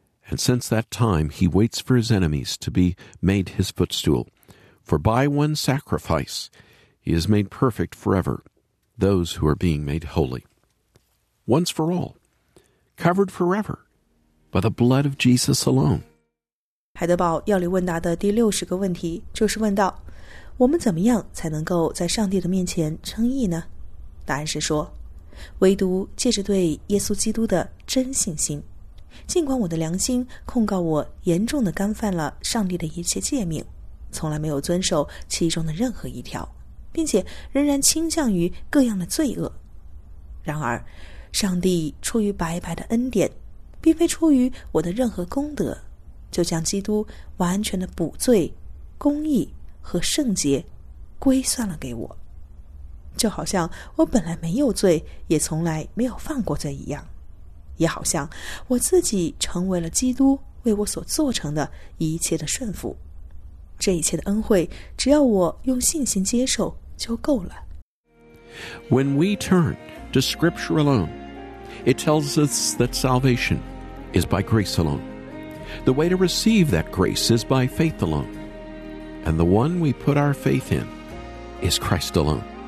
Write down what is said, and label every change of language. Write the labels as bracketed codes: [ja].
[en] And since that time, he waits for his enemies to be made his footstool. For by one sacrifice, he has made perfect forever those who are being made holy. Once for all, covered forever. By the blood of Jesus alone. [zh] 海德堡要理问答的第60个问题就是问道，我们怎么样才能够在上帝的面前称义呢？答案是说，唯独借着对耶稣基督的真信心。尽管我的良心控告我严重的干犯了上帝的一切诫命，从来没有遵守其中的任何一条，并且仍然倾向于各样的罪恶。然而，上帝出于白白的恩典，并非出于我的任何功德，就将基督完全的补罪、公义和圣洁归算了给我，就好像我本来没有罪，也从来没有犯过罪一样，也好像我自己成为了基督为我所做成的一切的顺服。这一切的恩惠，只要我用信心接受就够了。 [en] When we turn to Scripture alone,It tells us that salvation is by grace alone. The way to receive that grace is by faith alone. And the one we put our faith in is Christ alone.